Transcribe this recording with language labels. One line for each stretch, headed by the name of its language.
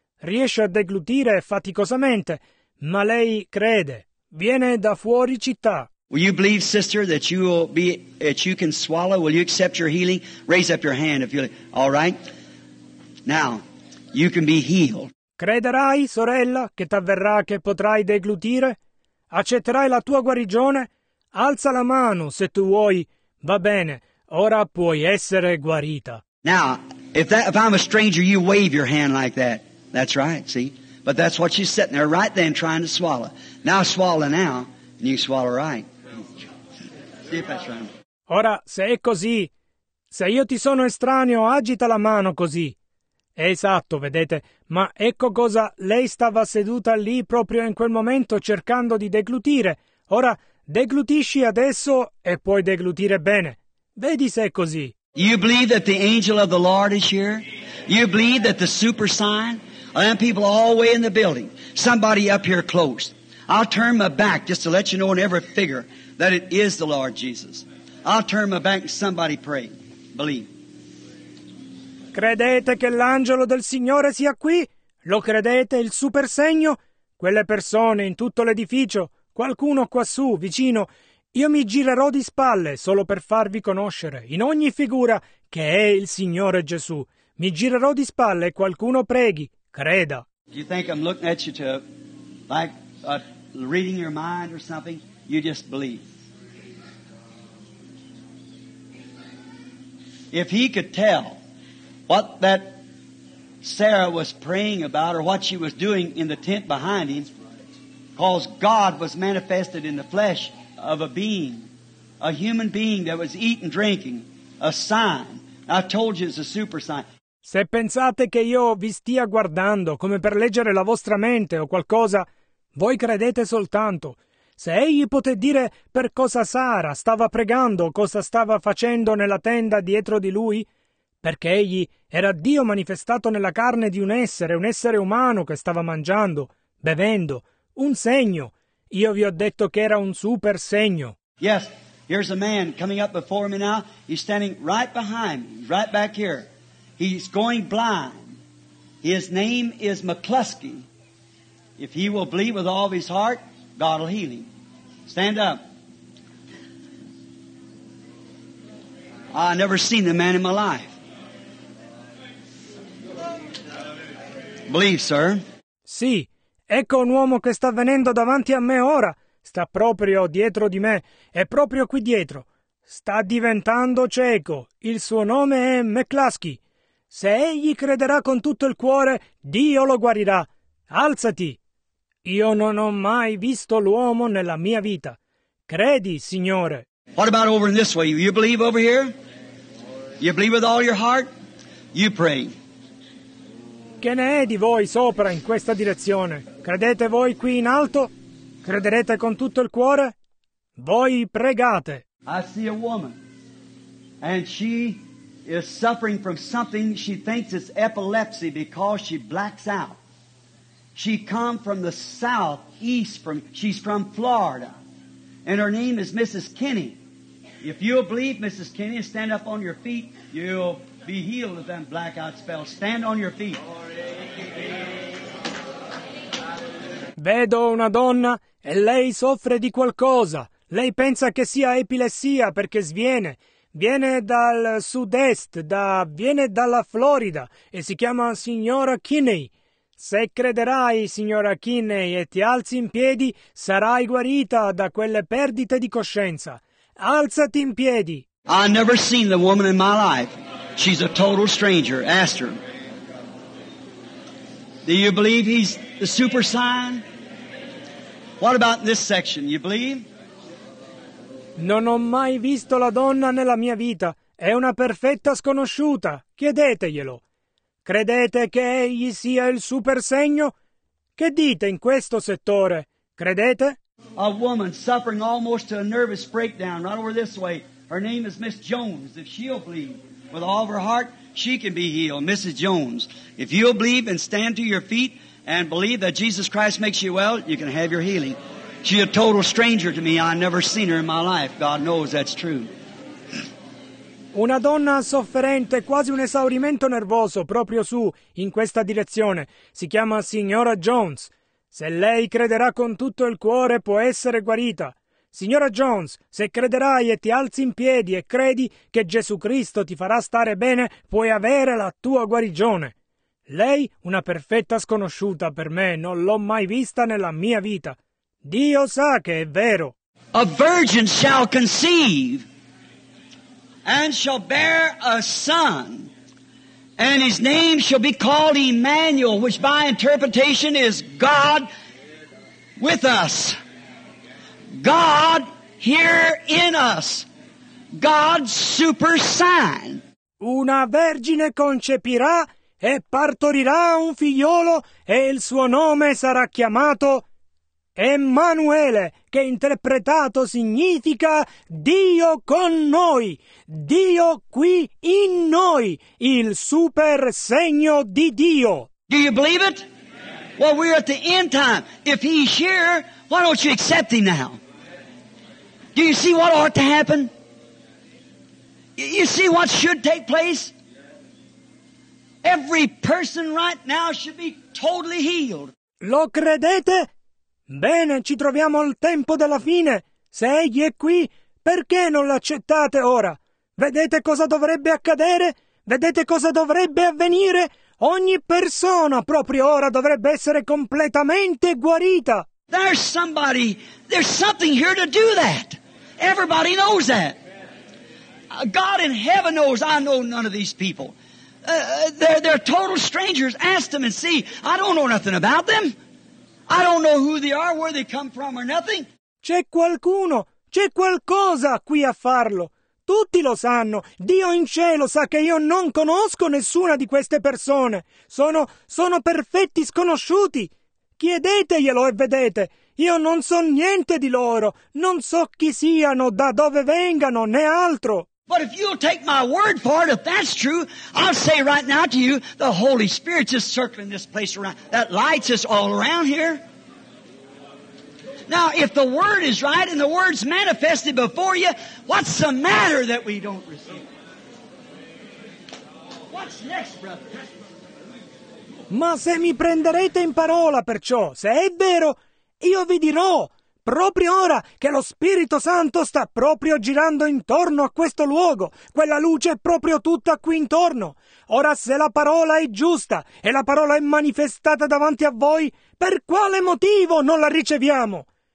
Italian: Riesce a deglutire faticosamente, ma lei crede. Viene da fuori città.
English: Will you believe, sister, that you will be, that you can swallow? Will you accept your healing? Raise up your hand if you all right. Now, you can be healed.
Italian: Crederai, sorella, che t'avverrà che potrai deglutire? Accetterai la tua guarigione? Alza la mano se tu vuoi. Va bene, ora puoi essere guarita.
English: Now, if I'm a stranger, you wave your hand like that. That's right, see? But that's what she's sitting there right then trying to swallow. Now swallow now, and you swallow right. See if that's right.
Italian: Ora, se è così, se io ti sono estraneo, agita la mano così. È esatto, vedete? Ma ecco cosa, lei stava seduta lì proprio in quel momento cercando di deglutire. Ora, deglutisci adesso e puoi deglutire bene. Vedi se è così.
English: You believe that the angel of the Lord is here? You believe that the super sign? I have people all the way in the building. Somebody up here close. I'll turn my back just to let you know in every figure that it is the Lord Jesus. I'll turn my back and somebody pray. Believe.
Italian: Credete che l'angelo del Signore sia qui? Lo credete, il super segno? Quelle persone in tutto l'edificio, qualcuno quassù, vicino, io mi girerò di spalle solo per farvi conoscere, in ogni figura, che è il Signore Gesù. Mi girerò di spalle e qualcuno preghi, creda.
English: Do you think I'm looking at you to, like, reading your mind or something? You just believe. If he could tell what that Sarah was praying about or what she was doing in the tent behind him, because God was manifested in the flesh of a being, a human being that was eating, drinking, a sign. I told you it's a super sign.
Italian: Se pensate che io vi stia guardando come per leggere la vostra mente o qualcosa, voi credete soltanto. Se egli poté dire per cosa Sara stava pregando o cosa stava facendo nella tenda dietro di lui, perché egli era Dio manifestato nella carne di un essere umano che stava mangiando, bevendo, un segno. Io vi ho detto che era un super segno.
English: Yes, here's a man coming up before me now. He's standing right behind me, right back here. He's going blind. His name is McCluskey. If he will believe with all of his heart, God will heal him. Stand up. I never seen the man in my life. Believe, sir.
Italian: Sì, ecco un uomo che sta venendo davanti a me ora. Sta proprio dietro di me. È proprio qui dietro. Sta diventando cieco. Il suo nome è McCluskey. Se egli crederà con tutto il cuore, Dio lo guarirà. Alzati! Io non ho mai visto l'uomo nella mia vita. Credi, Signore.
English: What about over in this way? You believe over here? You believe with all your heart? You pray.
Italian: Che ne è di voi sopra in questa direzione? Credete voi qui in alto? Crederete con tutto il cuore? Voi pregate.
English: I see a woman. And she is suffering from something she thinks is epilepsy because she blacks out. She come from the southeast, she's from Florida. And her name is Mrs. Kinney. If you'll believe, Mrs. Kinney, stand up on your feet, you'll be healed of that blackout spell. Stand on your feet.
Italian: Vedo una donna e lei soffre di qualcosa. Lei pensa che sia epilessia perché sviene. Viene dal sud-est, viene dalla Florida e si chiama signora Kinney. Se crederai, signora Kinney, e ti alzi in piedi, sarai guarita da quelle perdite di coscienza. Alzati in piedi.
English: I've never seen the woman in my life. She's a total stranger. Ask her. Do you believe he's the super sign? What about this section? You believe?
Italian: Non ho mai visto la donna nella mia vita. È una perfetta sconosciuta. Chiedeteglielo. Credete che egli sia il super segno? Che dite in questo settore? Credete?
English: A woman suffering almost to a nervous breakdown right over this way. Her name is Miss Jones. If she'll believe, with all of her heart, she can be healed. Mrs. Jones, if you'll believe and stand to your feet and believe that Jesus Christ makes you well, you can have your healing. She's a total stranger to me. I've never seen her in my life. God knows that's true.
Italian: Una donna sofferente, quasi un esaurimento nervoso, proprio su, in questa direzione. Si chiama Signora Jones. Se lei crederà con tutto il cuore, può essere guarita. Signora Jones, se crederai e ti alzi in piedi e credi che Gesù Cristo ti farà stare bene, puoi avere la tua guarigione. Lei, una perfetta sconosciuta per me, non l'ho mai vista nella mia vita. Dio sa che è vero.
English: A virgin shall conceive and shall bear a son, and his name shall be called Emmanuel, which by interpretation is God with us. God here in us. God's super sign.
Italian: Una vergine concepirà e partorirà un figliolo, e il suo nome sarà chiamato Emmanuele, che interpretato significa Dio con noi, Dio qui in noi, il super segno di Dio.
English: Do you believe it? Well, we're at the end time. If he's here, why don't you accept him now? Do you see what ought to happen? You see what should take place? Every person right now should be totally healed.
Italian: Lo credete? Bene, ci troviamo al tempo della fine. Se egli è qui, perché non l'accettate ora? Vedete cosa dovrebbe accadere? Vedete cosa dovrebbe avvenire? Ogni persona proprio ora dovrebbe essere completamente guarita.
English: There's somebody, there's something here to do that. Everybody knows that. God in heaven knows. I know none of these people. They're total strangers. Ask them and see. I don't know nothing about them. I don't know who they are, where they come from, or nothing.
Italian: C'è qualcuno, c'è qualcosa qui a farlo. Tutti lo sanno. Dio in cielo sa che io non conosco nessuna di queste persone. Sono perfetti sconosciuti. Chiedeteglielo e vedete. Io non so niente di loro. Non so chi siano, da dove vengano, né altro.
English: But if you'll take my word for it, if that's true, I'll say right now to you, the Holy Spirit's just circling this place around. That light's just all around here. Now, if the word is right and the word's manifested before you, what's the matter that we don't receive? What's next, brother?
Italian: Ma se mi prenderete in parola, perciò, se è vero, io vi dirò. Proprio ora che lo Spirito Santo sta proprio girando intorno a questo luogo, quella luce è proprio tutta qui intorno. Ora, se la parola è giusta e la parola è manifestata davanti a voi, per quale motivo non la riceviamo?